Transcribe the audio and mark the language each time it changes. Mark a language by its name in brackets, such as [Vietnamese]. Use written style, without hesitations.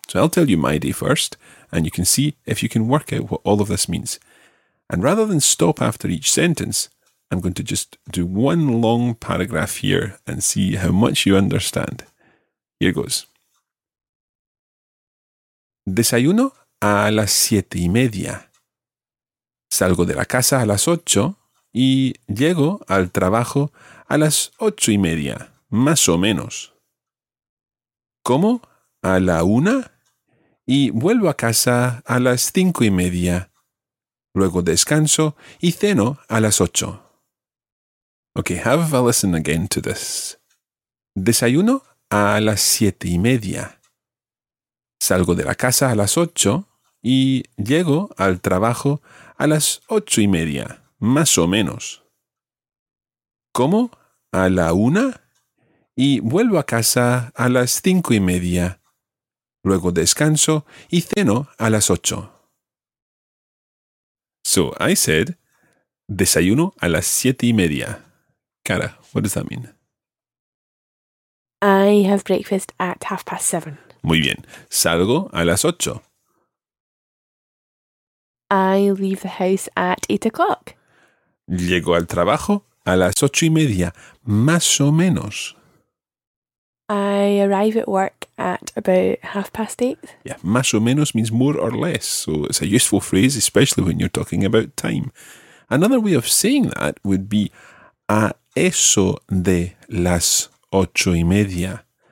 [English] So I'll tell you my day first, and you can see if you can work out what all of this means. And rather than stop after each sentence, I'm going to just do one long paragraph here and see how much you understand. Here goes. Desayuno [Spanish] a las 7:30. Salgo de la casa a las 8 y llego al trabajo a las 8:30, más o menos. Como a la 1 y vuelvo a casa a las 5:30. Luego descanso y ceno a las 8. [English] Okay, have a listen again to this. [Spanish] Desayuno a las 7:30. Salgo de la casa a las 8 y llego al trabajo a las 8:30, más o menos. Como a la 1 y vuelvo a casa a las 5:30. Luego descanso y ceno a las 8. [English] So I said, [Spanish] desayuno a las 7:30. [English] Cara, what does that mean? I have breakfast at 7:30. [Spanish] Muy bien. Salgo a las 8. [English] I leave the house at 8:00. [Spanish] Llego al trabajo a las 8:30, más o menos. [English] I arrive at work at about 8:30. Yeah, [Spanish] más o menos [English] means more or less. So it's a useful phrase, especially when you're talking about time. Another way of saying that would be [Spanish] a eso de las 8:30.